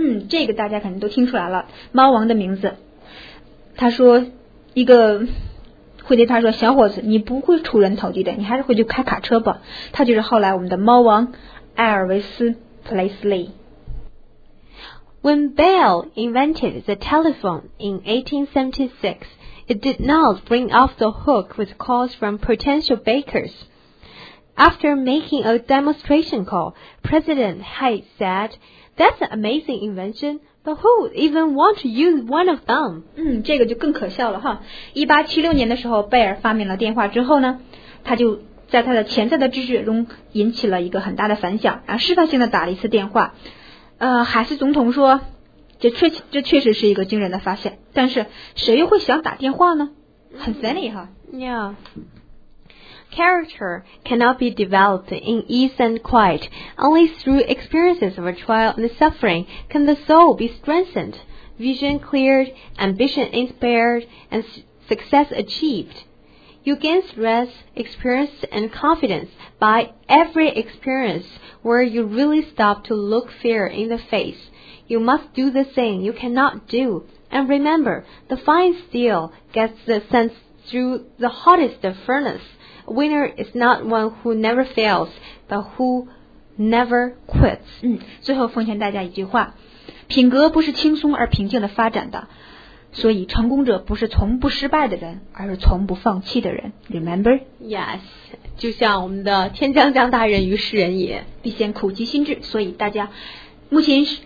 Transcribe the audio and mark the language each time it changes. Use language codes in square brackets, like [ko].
[zh] 这个大家肯定都听出来了，猫王的名字。他说，一个会对他说，小伙子，你不会出人头地的，你还是回去开卡车吧。他就是后来我们的猫王艾尔维斯·普雷斯利。 [en] When Bell invented the telephone in 1876, it did not ring off the hook with calls from potential bakers. After making a demonstration call, President Haig said, "That's an amazing invention, but who would even want to use one of them?" [zh] 这个就更可笑了哈。 1876年的时候，贝尔发明了电话之后呢，他就在他的潜在的知识中引起了一个很大的反响，然后示范性的打了一次电话。海斯总统说，这确实是一个惊人的发现，但是谁又会想打电话呢？很 funny 哈。 [en] Yeah. Character cannot be developed in ease and quiet. Only through experiences of trial and suffering can the soul be strengthened, vision cleared, ambition inspired, and success achieved. You gain strength, experience, and confidence by every experience. Where you really stop to look fear in the face. You must do the thing you cannot do. And remember, the fine steel gets the sense through the hottest of furnace. A winner is not one who never fails, but who never quits. [zh] 最后奉劝大家一句话，品格不是轻松而平静的发展的，所以成功者不是从不失败的人，而是从不放弃的人。 [en] Remember? Yes. [zh] 就像我们的天将降大任于世人也，必先苦其心志。所以大家目前